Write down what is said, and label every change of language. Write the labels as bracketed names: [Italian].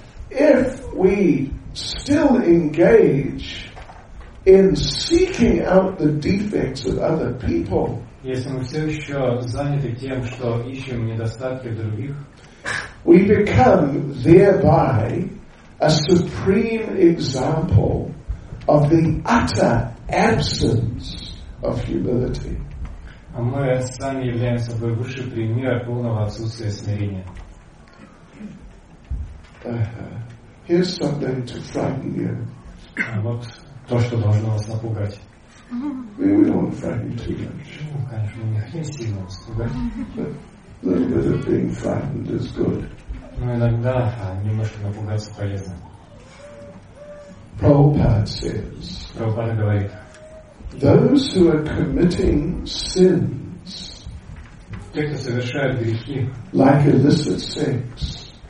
[English] If we still engage in seeking out the defects of other people, [Russian] если мы все еще заняты тем, что ищем недостатки других, [English] we become thereby a supreme example of the utter absence of humility. [Russian] Мы сами являем собой высший пример полного отсутствия смирения. [English] Here's something to frighten you. [Russian] Вот то, что должно вас напугать. [English] We don't frighten you too much. [Russian] Конечно, не хотим сильно вас напугать. [English] But a little bit of being frightened is good. [Russian] Но иногда немножко напугаться полезно. [English] Prabhupada [Russian] говорит. [English] Those who are committing sins, [Russian] те, кто совершают грехи, [English] like illicit sex,